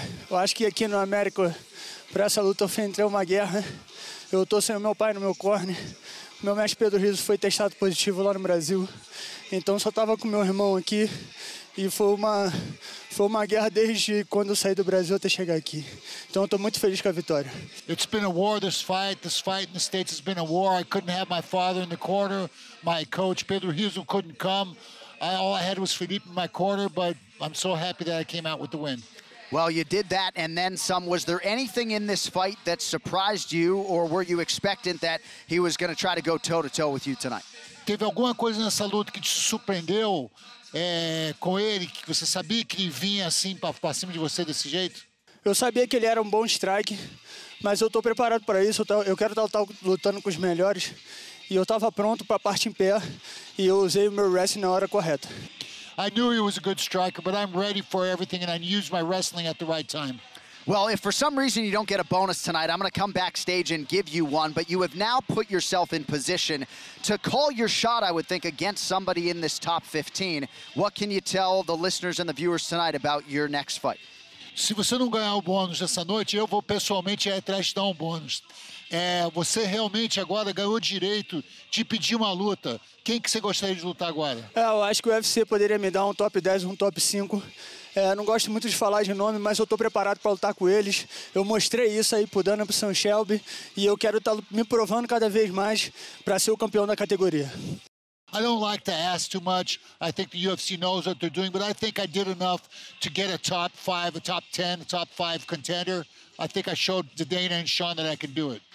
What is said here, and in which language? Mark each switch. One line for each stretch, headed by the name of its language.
Portuguese: Eu acho que aqui no América, para essa luta, eu entrei uma guerra. Eu estou sem o meu pai no meu corner. Meu mestre Pedro Rizzo foi testado positivo lá no Brasil. Então, só estava com meu irmão aqui. E foi uma guerra desde quando eu saí do Brasil até chegar aqui. Então, eu estou muito feliz com a vitória.
English: It's been a war, this fight. This fight in the States has been a war. I couldn't have my father in the corner. My coach, Pedro Rizzo, couldn't come. All I had was Felipe in my corner, but I'm so happy that I came out with the win. Well, you did that, and then some. Was there anything in this fight that surprised you, or were you expectant that he was going to try to go toe-to-toe with you tonight?
Portuguese: Teve alguma coisa nessa luta que te surpreendeu com ele, que você sabia que ele vinha assim para cima de você desse jeito? Eu sabia que ele era um bom strike, mas eu estou preparado para isso. Eu quero estar lutando com os melhores, e eu estava pronto para a parte em pé, e eu usei o meu wrestling na hora correta.
English: I knew he was a good striker, but I'm ready for everything, and I used my wrestling at the right time. Well, if for some reason you don't get a bonus tonight, I'm going to come backstage and give you one, but you have now put yourself in position to call your shot, I would think, against somebody in this top 15. What can you tell the listeners and the viewers tonight about your next fight?
Portuguese: Se você não ganhar o bônus essa noite, eu vou pessoalmente atrás de dar bônus. Você realmente agora ganhou o direito de pedir uma luta. Quem que você gostaria de lutar agora? Eu acho que o UFC poderia me dar um top 10, um top 5. Não gosto muito de falar de nome, mas eu estou preparado para lutar com eles. Eu mostrei isso aí para o Dana, para o Sam Shelby, e eu quero estar me provando cada vez mais para ser o campeão da categoria.
English: I don't like to ask too much. I think the UFC knows what they're doing, but I think I did enough to get a top 5, a top 10, a top 5 contender. I think I showed Dana and Sean that I can do it.